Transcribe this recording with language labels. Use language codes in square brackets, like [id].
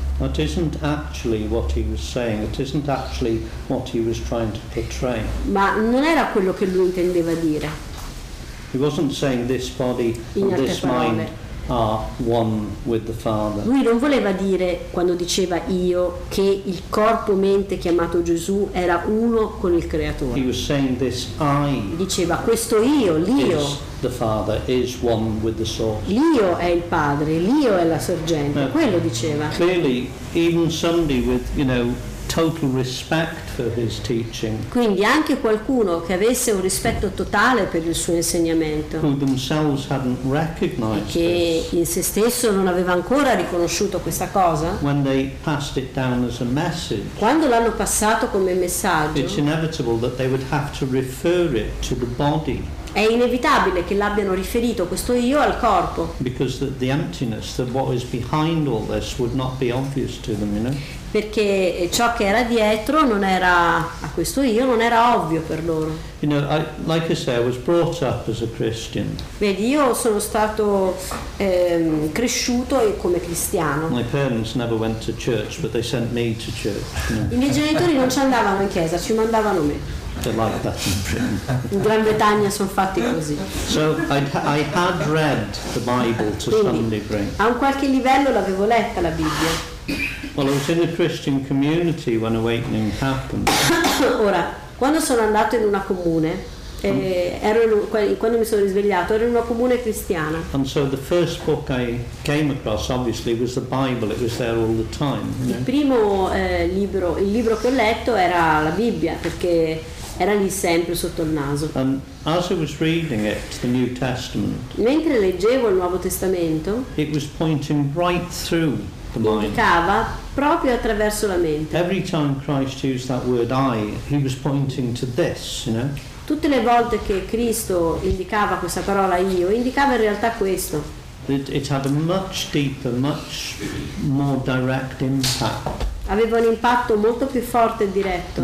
[en] It isn't actually what he was saying, it isn't actually what he was trying to portray. [it] Ma non era quello che lui intendeva dire. [en] He wasn't saying this body and this mind are one with the Father. [it] Lui non voleva dire, quando diceva io, che il corpo-mente chiamato Gesù era uno con il Creatore. [en] He was saying this I. [it] Diceva questo io, l'io. [en] The Father is one with the source. [it] L'io è il Padre, l'io è la sorgente, [en] now, [it] quello diceva. [en] Clearly, even somebody with, you know, total respect for his teaching. [it] Quindi anche qualcuno che avesse un rispetto totale per il suo insegnamento. [en] Who themselves hadn't recognized. [it] Che in se stesso non aveva ancora riconosciuto questa cosa. [en] When they passed it down as a message. [it] Quando l'hanno passato come messaggio. [en] It's inevitable that they would have to refer it to the body. [it] È inevitabile che l'abbiano riferito questo io al corpo. [en] Because the emptiness, the what is behind all this, would not be obvious to them, you know. [it] Perché ciò che era dietro non era a questo io, non era ovvio per loro. [en] You know, like I say, I was brought up as a Christian. [it] Vedi, io sono stato cresciuto come cristiano. [en] My parents never went to church, but they sent me to church. You know? [it] I miei genitori non ci andavano in chiesa, ci mandavano me. [en] Like that in Britain. [it] In Gran Bretagna sono fatti così. [en] So I had read the Bible to [it] quindi, [en] some degree. [it] A un qualche livello l'avevo letta la Bibbia. [en] Well, I was in a Christian community when awakening happened. [it] Ora, quando sono andato in una comune, quando mi sono risvegliato, ero in una comune cristiana. [en] And so the first book I came across, obviously, was the Bible. It was there all the time. [it] Il primo libro che ho letto era la Bibbia, perché era lì sempre sotto il naso. [en] And as I was reading it, the New Testament. [it] Mentre leggevo il Nuovo Testamento, [en] it was pointing right through. [it] Indicava proprio attraverso la mente. [en] Every time Christ used that word I, he was pointing to this, you know. [it] Tutte le volte che Cristo indicava questa parola io, indicava in realtà questo. [en] It had a much deeper, much more direct impact. [it] Aveva un impatto molto più forte e diretto.